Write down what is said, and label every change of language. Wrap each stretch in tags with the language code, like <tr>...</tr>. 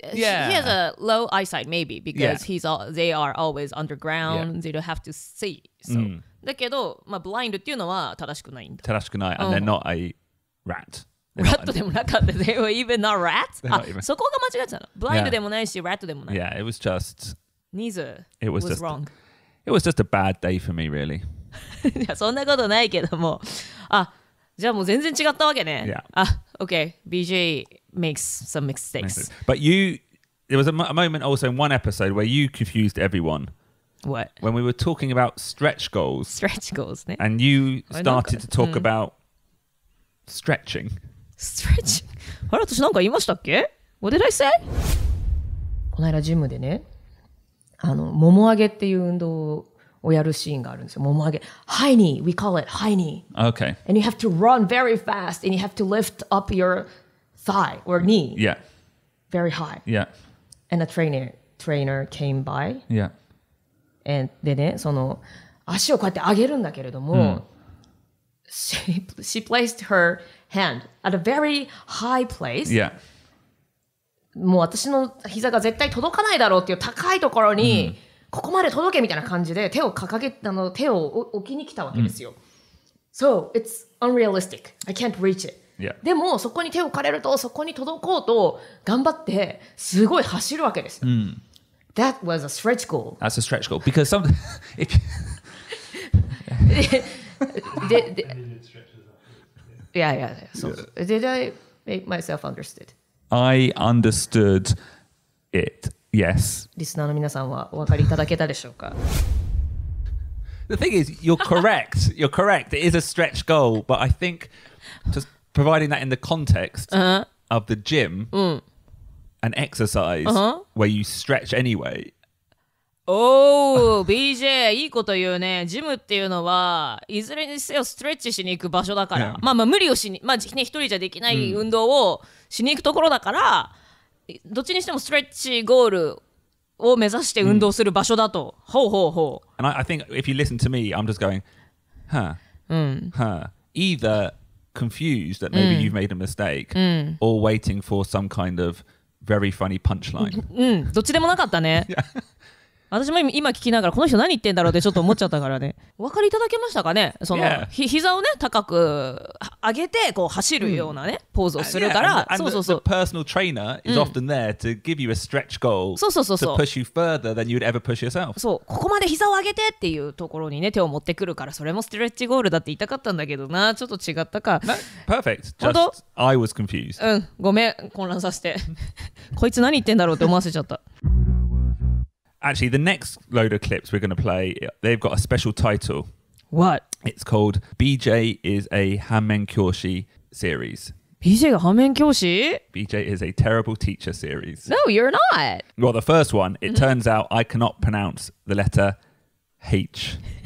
<en>Yeah. He has a low eyesight, maybe, because、yeah. they are always underground,、yeah. they don't have to see. So,、mm.</en> <ja>だけど、まあ、blind っていうのは正しくないんだ。正しくない。</ja> <en>And they're not a rat. Rat でもなかった。 They were even not rat?</en> <ja>あ、そこが間違っちゃった。 Blind でもないし、rat でもない。</ja> <en>Yeah, it was just... Neither was wrong. It was just a bad day for me, really.</en> <ja>いや、そんなことないけども。あ、じゃあもう全然違ったわけね。</ja> <en>Yeah. あ、OK. BJ makes some mistakes. But you... There was a moment also in one episode where you confused everyone. What? When we were talking about stretch goals. Stretch goals, ne? And you started to talk about stretching. Stretching?</en> <ja>あれ、私なんか言いましたっけ?</ja> <en>What did I say?</en> <ja>この間ジムでね、あの、もも上げっていう運動をやるシーンがあるんですよ。もも上げ。</ja> <en>High knee, we call it high knee. Okay. And you have to run very fast and you have to lift up your thigh or knee. Yeah. Very high. Yeah. And a trainer came by. Yeah.</en> <ja>でね、その足をこうやって上げるんだけれども、mm.</ja> <en>she placed her hand at a very high place、 yeah.</en> <ja>もう私の膝が絶対届かないだろうっていう高いところに、mm. ここまで届けみたいな感じで手を掲げたの手を置きに来たわけですよ、mm.</ja> <en>So it's unrealistic. I can't reach it、 yeah.</en> <ja>でもそこに手を借りるとそこに届こうと頑張ってすごい走るわけです、 mm.</ja> <en>That was a stretch goal. That's a stretch goal. Because some... If Did I make myself understood? I understood it, yes.</en> <ja>リスナーの皆さんはお分かりいただけたでしょうか?</ja> <en>The thing is, you're correct. You're correct. It is a stretch goal. But I think just providing that in the context、 uh-huh. of the gym...、うん An exercise、uh-huh. where you stretch anyway.</en> <ja>Oh, BJ, いいこと言うね。ジムっていうのは、いずれにせよストレッチしに行く場所だから。 Yeah. まあまあ無理をしに、まあね、一人じゃできない運動をしに行くところだから、どっちにしてもストレッチゴールを目指して運動する場所だと。 Mm. ほうほうほう。</ja> <en>And I think if you listen to me, I'm just going, either confused that maybe you've made a mistake, or waiting for some kind of... Very funny punchline.</en> <ja>うん、どっちでもなかったね。</ja> <en>Yeah.</en> <ja>私も今聞きながら、この人何言ってんだろうってちょっと思っちゃったからね。お分かりいただけましたかね。その、</ja> <en>yeah.</en> <ja>膝をね、高く上げて、こう走るようなね、mm. ポーズをするから、</ja> <en>yeah.</en> <ja>そうそうそう。</ja> <en>The personal trainer is often there to give you a stretch goal</en> <ja>そうそうそうそう</ja> <en>to push you further than you'd ever push yourself.</en> <ja>そう、ここまで膝を上げてっていうところにね、手を持ってくるから、それもストレッチゴールだって言いたかったんだけどな、ちょっと違ったか。</ja> <en>No. Perfect. Just, I was confused.</en> <ja>うん、ごめん、混乱させて。こいつ何言ってんだろうって思わせちゃった。</ja> <en>Actually, the next load of clips we're going to play, they've got a special title. What? It's called BJ is a Hanmen Kyoshi series.</en> <ja>BJ が Hanmen Kyoshi?</ja> <en>BJ is a terrible teacher series. No, you're not. Well, the first one, it turns out I cannot pronounce the letter H.</en>